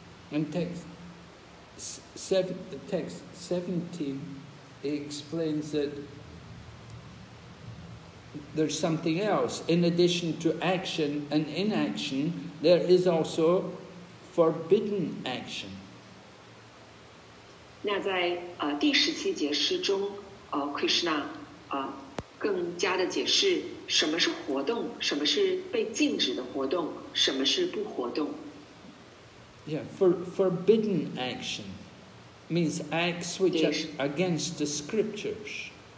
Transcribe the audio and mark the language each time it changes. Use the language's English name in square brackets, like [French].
[English] And text 17, he explains that there's something else. In addition to action and inaction, there is also forbidden action. [Chinese] 那在第十七节诗中, Krishna 更加的解释什么是活动,什么是被禁止的活动,什么是不活动。 [English] Yeah, forbidden action means acts which are against the scriptures.